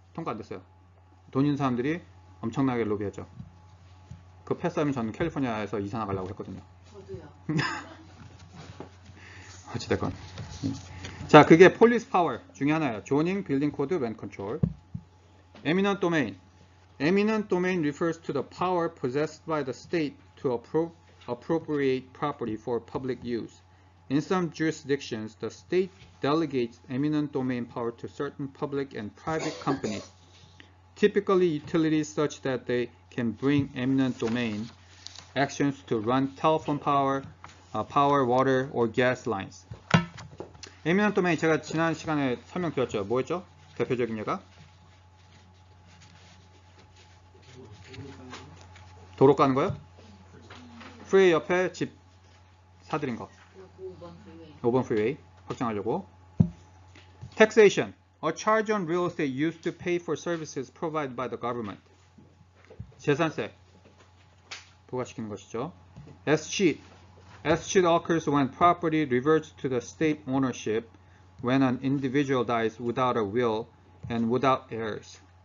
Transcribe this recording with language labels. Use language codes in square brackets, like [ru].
[ko] 통과 안 됐어요. 돈 있는 사람들이 엄청나게 로비했죠. 그 패스하면 저는 캘리포니아에서 이사 나가려고 했거든요. 저도요. 어찌됐건. 자, 그게 폴리스 파워 중에 하나예요. 조닝 빌딩 코드 렌트 컨트롤. 에미넌트 도메인. [en] Eminent domain refers to the power possessed by the state to appropriate property for public use. In some jurisdictions, the state delegates eminent domain power to certain public and private companies, typically utilities such that they can bring eminent domain actions to run telephone power, power, water, or gas lines. [ko] Eminent domain, 제가 지난 시간에 설명드렸죠. 뭐였죠? 대표적인 예가? 도로 까는 거요? 프리웨이 옆에 집 사들인 거. 5번 프리웨이 확장하려고. [en] Taxation, a charge on real estate used to pay for services provided by the government. [ko] 재산세 부과시키는 것이죠. [en] Escheat occurs when property reverts to the state ownership when an individual dies without a will and without heirs.